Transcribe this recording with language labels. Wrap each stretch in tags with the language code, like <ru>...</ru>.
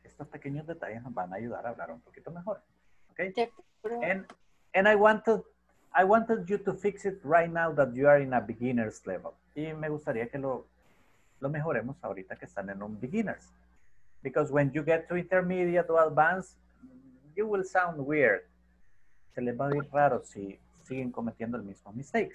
<es>Estos pequeños detalles nos van a ayudar a hablar un poquito mejor.</es> <en>Okay? And I wanted you to fix it right now that you are in a beginner's level.</en> <es>Y me gustaría que lo mejoremos ahorita que están en un beginner's.</es> <en>Because when you get to intermediate or advanced, you will sound weird.</en> <es>Se les va a ir raro si siguen cometiendo el mismo mistake.</es>